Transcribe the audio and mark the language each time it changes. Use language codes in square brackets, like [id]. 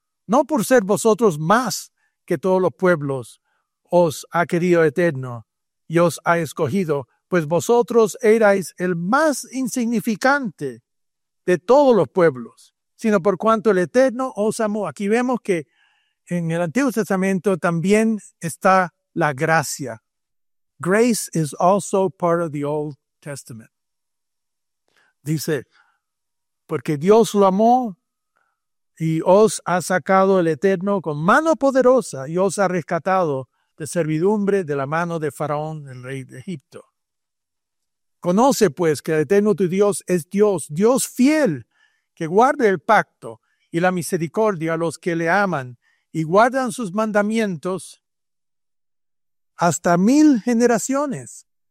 [es] No por ser vosotros más que todos los pueblos, os ha querido Eterno y os ha escogido, pues vosotros erais el más insignificante de todos los pueblos, sino por cuanto el Eterno os amó. Aquí vemos que en el Antiguo Testamento también está la gracia. [en] Grace is also part of the Old Testament. [es] Dice, porque Dios lo amó y os ha sacado el Eterno con mano poderosa y os ha rescatado de servidumbre de la mano de Faraón, el rey de Egipto. Conoce, pues, que el Eterno tu Dios es Dios, Dios fiel, que guarda el pacto y la misericordia a los que le aman y guardan sus mandamientos hasta mil generaciones.